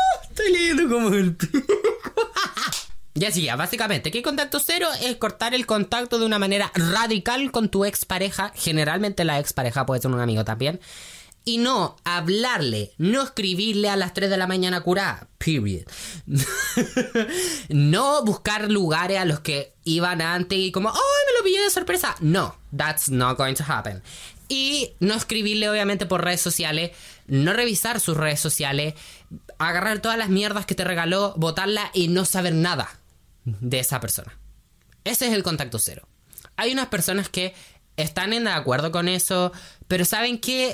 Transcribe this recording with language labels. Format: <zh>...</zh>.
<es>Estoy leyendo como el. Ya, sí, ya, básicamente, que contacto cero es cortar el contacto de una manera radical con tu expareja. Generalmente, la expareja puede ser un amigo también. Y no hablarle, no escribirle a las 3 de la mañana curada. Period. No buscar lugares a los que iban antes y como, ¡ay, oh, me lo pillé de sorpresa!</es> <en>No, that's not going to happen.</en> <es>Y no escribirle, obviamente, por redes sociales. No revisar sus redes sociales. Agarrar todas las mierdas que te regaló, botarla y no saber nada de esa persona. Ese es el contacto cero. Hay unas personas que están en de acuerdo con eso, pero ¿saben qué?</es>